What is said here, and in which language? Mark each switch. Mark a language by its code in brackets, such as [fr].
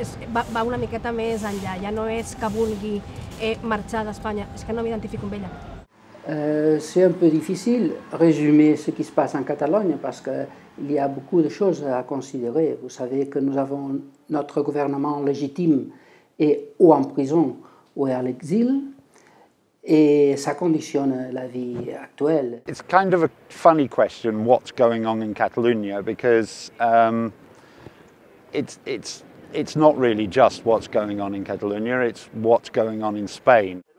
[ca] Va una miqueta més enllà. Ja no és que vulgui marxar d'Espanya. És que no m'identifico amb ella. [fr] C'est un peu difficile résumer ce qui se passe en Catalogne parce qu'il y a beaucoup de choses à considérer. Vous savez que nous avons notre gouvernement légitime et ou en prison ou à l'exil. Et ça conditionne la vie actuelle. [en] It's kind of a funny question, what's going on in Catalonia, because it's not really just what's going on in Catalonia, it's what's going on in Spain.